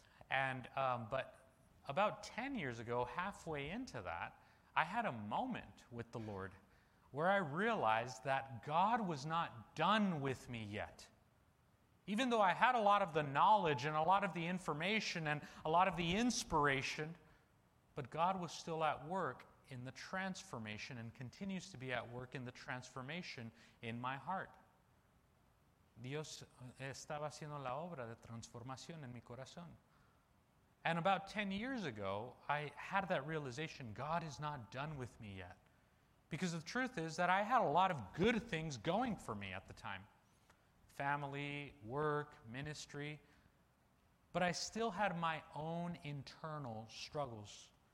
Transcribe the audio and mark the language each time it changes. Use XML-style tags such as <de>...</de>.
<en>But about 10 years ago, halfway into that, I had a moment with the Lord where I realized that God was not done with me yet. Even though I had a lot of the knowledge and a lot of the information and a lot of the inspiration, but God was still at work in the transformation and continues to be at work in the transformation in my heart.</en> <es>Dios estaba haciendo la obra de transformación en mi corazón.</es> <en>And about 10 years ago, I had that realization, God is not done with me yet. Because the truth is that I had a lot of good things going for me at the time. Family, work, ministry. But I still had my own internal struggles.</en>